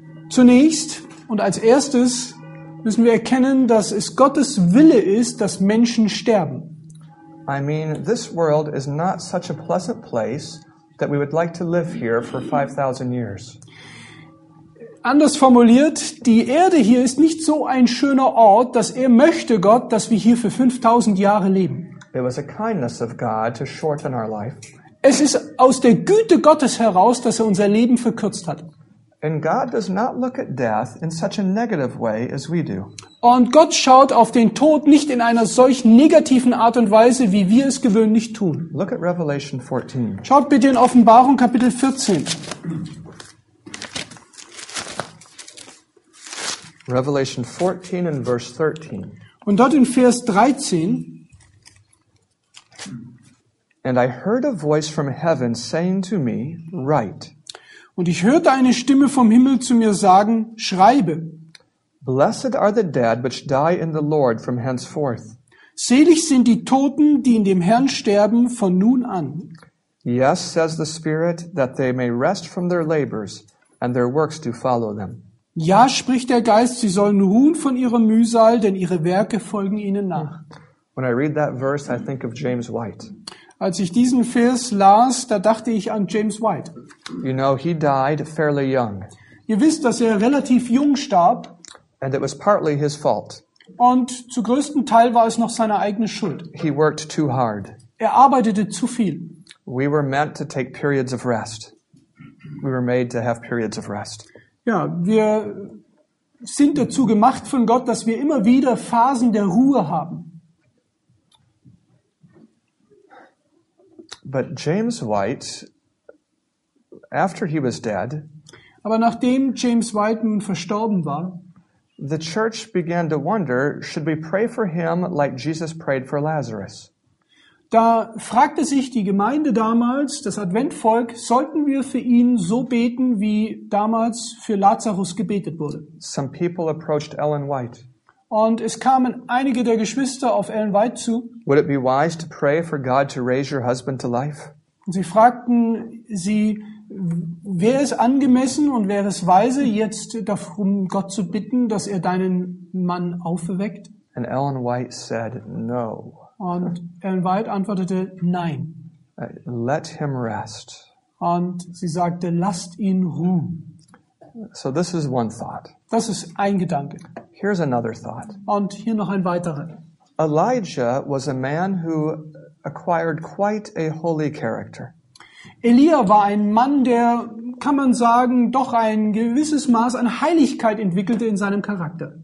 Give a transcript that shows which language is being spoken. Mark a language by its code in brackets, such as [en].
[de] Zunächst und als erstes müssen wir erkennen, dass es Gottes Wille ist, dass Menschen sterben. [en] I mean, this world is not such a pleasant place that we would like to live here for 5000 years. [de] Anders formuliert, die Erde hier ist nicht so ein schöner Ort, dass er möchte Gott, dass wir hier für 5000 Jahre leben. [en] It was a kindness of God to shorten our life. [de] Es ist aus der Güte Gottes heraus, dass er unser Leben verkürzt hat. [en] And God does not look at death in such a negative way as we do. [de] Und Gott schaut auf den Tod nicht in einer solch negativen Art und Weise, wie wir es gewöhnlich tun. [en] Look at Revelation 14. [de] Schaut bitte in Offenbarung Kapitel 14. [en] Revelation 14 and verse 13. [de] Und dort in Vers 13. [en] And I heard a voice from heaven saying to me, write. [de] Und ich hörte eine Stimme vom Himmel zu mir sagen, schreibe. [en] Blessed are the dead which die in the Lord from henceforth. [de] Selig sind die Toten, die in dem Herrn sterben von nun an. [en] Yes, says the Spirit, that they may rest from their labors and their works do follow them. [de] Ja, spricht der Geist, sie sollen ruhen von ihrer Mühsal, denn ihre Werke folgen ihnen nach. [en] When I read that verse, I think of James White. [de] Als ich diesen Vers las, da dachte ich an James White. [en] You know, he died fairly young. [de] Ihr wisst, dass er relativ jung starb. [en] And it was partly his fault. [de] Und zu größten Teil war es noch seine eigene Schuld. [en] He worked too hard. [de] Er arbeitete zu viel. [en] We were meant to take periods of rest. We were made to have periods of rest. [de] Ja, wir sind dazu gemacht von Gott, dass wir immer wieder Phasen der Ruhe haben. [en] But James White, after he was dead, [de] aber nachdem James White nun verstorben war, [en] the church began to wonder, should we pray for him like Jesus prayed for Lazarus? [de] Da fragte sich die Gemeinde damals, das Adventvolk, sollten wir für ihn so beten, wie damals für Lazarus gebetet wurde? [en] Some people approached Ellen White. [de] Und es kamen einige der Geschwister auf Ellen White zu. [en] Would it be wise to pray for God to raise your husband to life? [de] Und sie fragten sie, wäre es angemessen und wäre es weise, jetzt darum Gott zu bitten, dass er deinen Mann auferweckt? [en] And Ellen White said no. [de] Und Ellen White antwortete, nein. [en] Let him rest. [de] Und sie sagte, lasst ihn ruhen. [en] So this is one thought. [de] Das ist ein Gedanke. [en] Here's another thought. [de] Und hier noch ein weiterer. [en] Elijah was a man who acquired quite a holy character. [de] Elia war ein Mann, der, kann man sagen, doch ein gewisses Maß an Heiligkeit entwickelte in seinem Charakter.